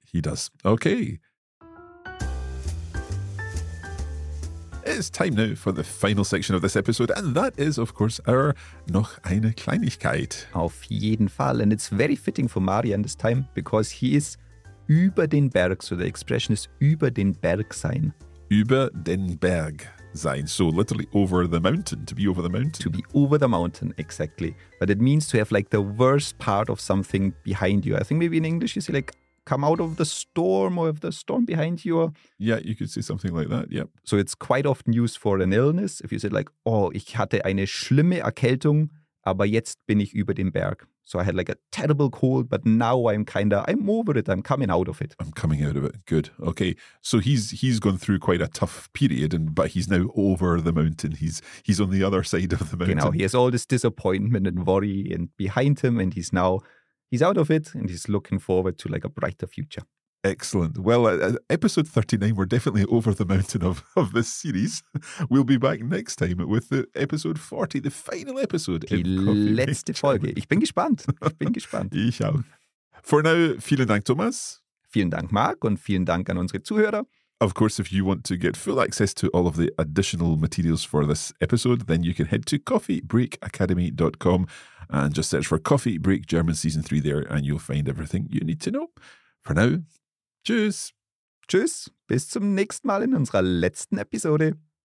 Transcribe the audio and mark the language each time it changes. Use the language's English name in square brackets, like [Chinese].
[English] He does. Okay. It's time now for the final section of this episode, and that is, of course, our [German] Noch eine Kleinigkeit. Auf jeden Fall. [English] And it's very fitting for Marian this time, because he is [German] über den Berg. [English] So the expression is [German] über den Berg sein. Über den Berg sein. [English] So literally over the mountain, to be over the mountain. To be over the mountain, exactly. But it means to have like the worst part of something behind you. I think maybe in English you say like, come out of the storm or have the storm behind you. Yeah, you could say something like that, yep. So it's quite often used for an illness. If you said like, oh, [German] ich hatte eine schlimme Erkältung, aber jetzt bin ich über den Berg. [English] So I had like a terrible cold, but now I'm over it. I'm coming out of it. I'm coming out of it. Good. Okay. So he's gone through quite a tough period, but he's now over the mountain. He's on the other side of the mountain. You know, he has all this disappointment and worry and behind him, and he's now... he's out of it and he's looking forward to like a brighter future. Excellent. Well, episode 39, we're definitely over the mountain of this series. We'll be back next time with the episode 40, the final episode. [German] Die letzte Folge. Ich bin gespannt. Ich bin gespannt. Ich auch. [English] For now, [German] vielen Dank, Thomas. Vielen Dank, Marc. Und vielen Dank an unsere Zuhörer. [English] Of course, if you want to get full access to all of the additional materials for this episode, then you can head to coffeebreakacademy.com and just search for Coffee Break German Season 3 there and you'll find everything you need to know. For now, tschüss! [German] Tschüss, bis zum nächsten Mal in unserer letzten Episode.